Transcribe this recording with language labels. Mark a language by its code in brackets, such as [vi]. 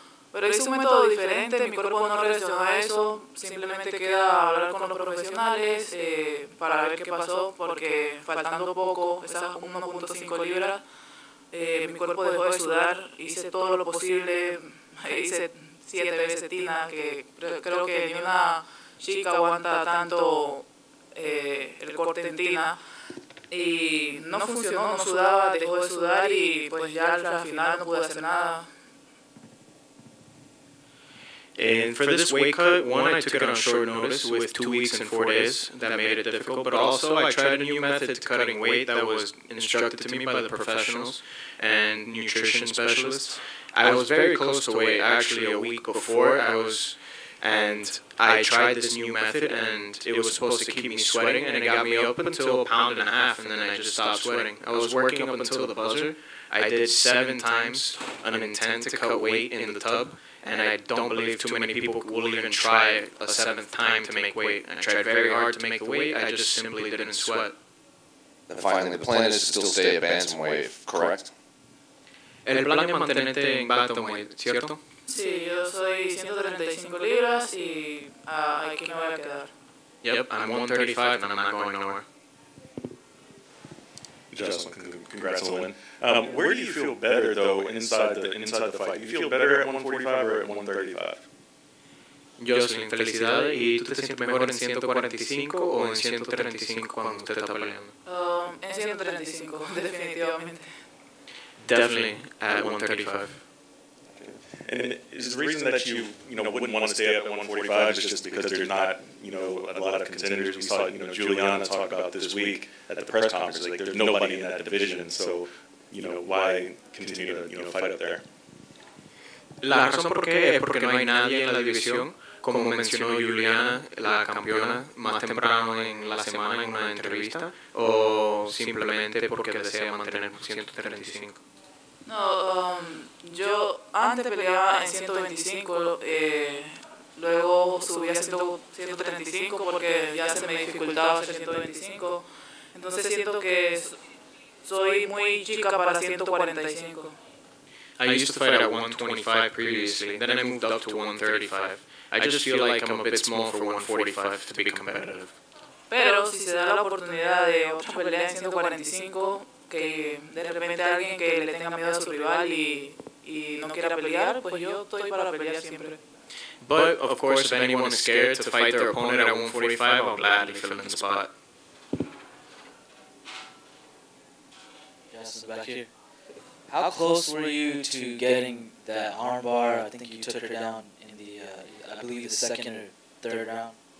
[es] Pero hice un método diferente, mi cuerpo no reaccionó a eso. Simplemente queda hablar con los profesionales para ver qué pasó, porque faltando poco, esas 1.5 libras, mi cuerpo dejó de sudar, hice todo lo posible, hice 7 veces Tina, que creo que ni una chica aguanta tanto el corte en Tina. Y no funcionó, no sudaba, dejó de sudar y pues ya al final no pude hacer nada. [en] And for this weight cut, one, I took it on short notice with 2 weeks and 4 days. That made it difficult. But also, I tried a new method to cutting weight that was instructed to me by the professionals and nutrition specialists. I was very close to weight, actually, a week before. And I tried this new method, and it was supposed to keep me sweating, and it got me up until a pound and a half, and then I just stopped sweating. I was working up until the buzzer. I did 7 times an intent to cut weight in the tub. And I don't believe too many people will even try a 7th time to make weight. And I tried very hard to make the weight, I just simply didn't sweat. And finally, the plan is to still stay at bantamweight, correct? [es] El plan es mantenerte en bantamweight, ¿cierto? Sí, yo soy 135 libras y aquí me voy a quedar. [en] Yep, I'm 135 and I'm not going nowhere. Joselyne, congrats on the win. Where do you feel better, though, inside the fight? You feel better at 145 or at 135? [es] Joselyne, felicidades. ¿Y tú te sientes mejor en 145 o en 135 cuando usted está peleando? En 135, definitivamente. [en] Definitely at 135. And is the reason that you wouldn't want to stay up at 145 is just because there's not, you know, a lot of contenders? We saw, you know, Juliana talk about this week at the press conference, like there's nobody in that division, so, you know, why continue to, you know, fight up there? [es] La razón por qué es porque no hay nadie en la división. Como mencionó Juliana, la campeona, más temprano en la semana en una entrevista, o simplemente porque desea mantener 135. No, yo antes peleaba en 125, luego subí a 135 porque ya se me dificultaba hacer 125. Entonces siento que soy muy chica para 145. [en] I used to fight at 125 previously, then I moved up to 135. I just feel like I'm a bit small for 145 to be competitive. [es] Pero si se da la oportunidad de otra pelea en 145, que de repente alguien que le tenga miedo a su rival y no quiera pelear, pues yo estoy para pelear siempre. [en] But of course, if anyone is scared to fight their opponent at 145, I'll gladly fill in the spot. Yes, back here. How close were you to getting that armbar? I think you took her down in the, I believe the second or third round.